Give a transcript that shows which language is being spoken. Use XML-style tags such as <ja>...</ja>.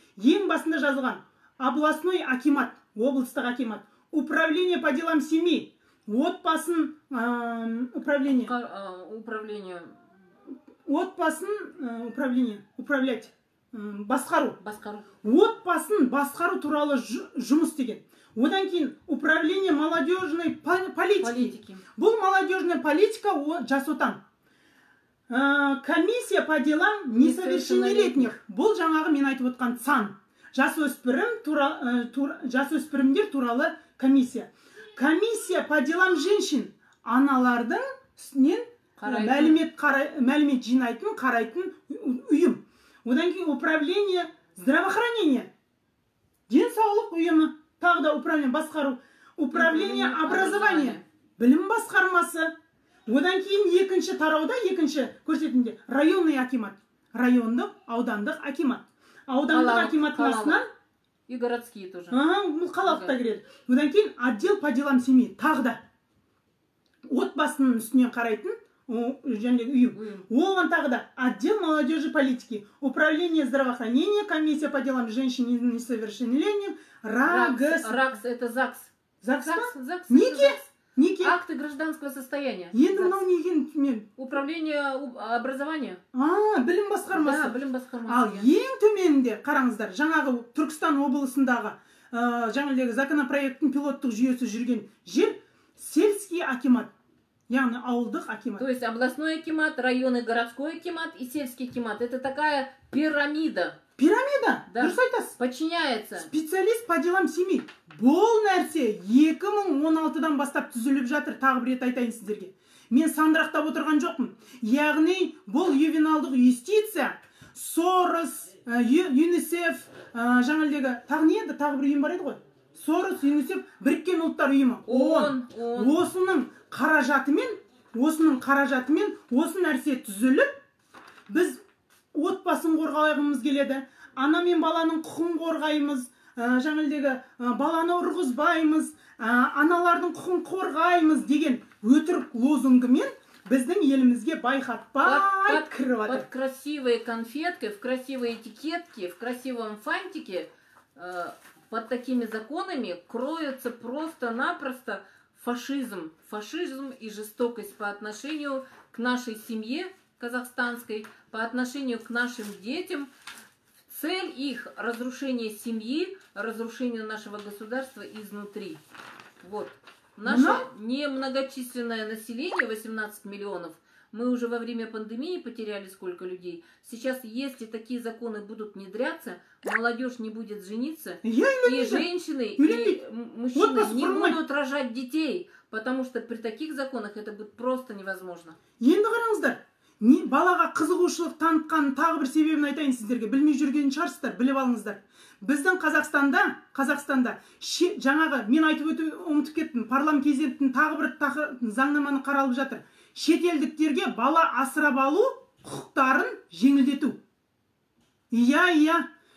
<kk>Ең басында жазылған:</kk> <ru>областной акимат,</ru> <kk>облыстық акимат,</kk> <ru>управление по делам семьи, отбасын управление. Управление.</ru> <kk>Отбасын управление.</kk> <ru>Управлять.</ru> <kk>Басқару. Басқару. Отбасын басқару туралы жұмыс деген. Одан кейін</kk> <ru>управление молодежной политики. Бұл молодежная политика Жас Отан. Комиссия по делам несовершеннолетних.</ru> <kk>Бұл жаңағы мен айтып отқан ЦАН. Жасөспірімдер туралы комиссия.</kk> <ru>Комиссия по делам женщин.</ru> <kk>Аналардың үстінен мәлімет жинайтын, қарайтын ұйым. Одан кейін</kk> <ru>управление здравоохранения,</ru> <kk>денсаулық ұйымы, тағы да управление басқару,</kk> <ru>управление образования,</ru> <kk>білім басқармасы. Одан кейін екінші тарауда, екінші көрсетінде</kk> <ru>районный акимат,</ru> <kk>райондық, аудандық акимат. Аудандық акиматтың астынан</kk> <ru>и городские тоже.</ru> <kk>Қалалық та кіреді. Одан кейін</kk> <ru>отдел по делам семьи,</ru> <kk>тағы да отбасының үстінен қарайтын ұйым. Оған тағы да</kk> <ru>отдел молодежи политики, управление здравоохранения, комиссия по делам женщин и несовершеннолетних, РАГС. РАГС это ЗАГС. ЗАГС? ЗАГС.</ru> <kk>Неге? Неге?</kk> <ru>Акты гражданского состояния.</ru> <kk>Енді мынау неге мен?</kk> <ru>Управление образования.</ru> <kk>Білім басқармасы. Да, білім басқармасы. Ал ең төменінде қараңыздар, жаңағы Түркістан облысындағы жаңағы законопроекттің пилоттық жүйесі жүрген жер</kk> <ru>сельский акимат.</ru> <kk>Яғни ауылдық акимат.</kk> <ru>То есть областной акимат, районы городской акимат и сельский акимат. Это такая пирамида. Пирамида? Да.</ru> <kk>Дұрыс айтасыз.</kk> <ru>Подчиняется. Специалист по делам семьи.</ru> <kk>Бұл нәрсе 2016-дан бастап түзіліп жатыр, тағы бір рет айтайын сіздерге. Мен сандырақтап отырған жоқпын. Яғни бұл ювеналдық юстиция, Сорос, ЮНИСЕФ, жаңалдегі тағы не еді, тағы бір ұйым бар еді ғой. Сорос, ЮНИСЕФ, Біріккен ұлттар ұйымы. Он. Осының қаражатымен осының қаражатымен, осын нәрсе түзіліп, біз отбасын қорғалығымыз келеді. Ана мен баланың құқын қорғаймыз, жаңылдегі баланы ұрғызбаймыз, аналардың құқын қорғаймыз деген өтірік лозунгымен біздің елімізге байқатпай кіріп отыр.</kk> <ru>Под красивые конфетки, в красивой этикетке, в красивом фантике, под такими законами кроется просто-напросто фашизм. Фашизм и жестокость по отношению к нашей семье казахстанской, по отношению к нашим детям. Цель их – разрушение семьи, разрушение нашего государства изнутри. Вот. Наше немногочисленное население, 18 миллионов, мы уже во время пандемии потеряли сколько людей. Сейчас, если такие законы будут внедряться, молодежь не будет жениться, и женщины, и мужчины не будут рожать детей, потому что при таких законах это будет просто невозможно.</ru> <kk>Енді қараңыздар, не балаға қызығушылық танытқан тағы бір себебін айтайын сіздерге, білмей жүрген шарсыздар, біліп алыңыздар. Біздің Қазақстанда, жаңағы, мен айтып өтіп ұмытып кеттім, парламент кезеңінің тағы бір заңнаманы қаралып жатыр. Шетелдіктерге бала асырап алу құқықтарын жеңілдету. Иә.</kk>